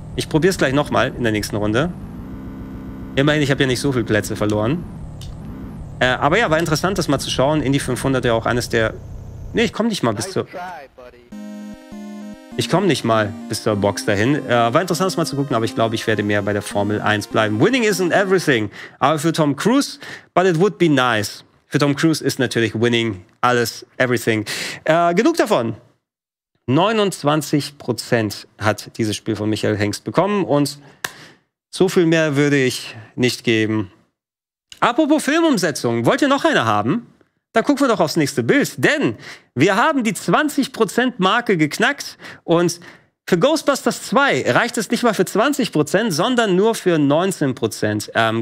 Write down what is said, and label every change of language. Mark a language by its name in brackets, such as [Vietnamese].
[German] Ich probiere es gleich nochmal in der nächsten Runde. Immerhin, ich habe ja nicht so viele Plätze verloren. Aber ja, war interessant, das mal zu schauen. Indy 500 ja auch eines der... Nee, ich komme nicht mal bis zu... Ich komme nicht mal bis zur Box dahin. War interessant, es mal zu gucken, aber ich glaube, ich werde mehr bei der Formel 1 bleiben. [English] Winning isn't everything, [German] aber für Tom Cruise, [English] but it would be nice. [German] Für Tom Cruise ist natürlich Winning alles, everything. Genug davon. 29% hat dieses Spiel von Michael Hengst bekommen und so viel mehr würde ich nicht geben. Apropos Filmumsetzung, wollt ihr noch eine haben? Dann gucken wir doch aufs nächste Bild, denn wir haben die 20%-Marke geknackt und für Ghostbusters 2 reicht es nicht mal für 20%, sondern nur für 19%.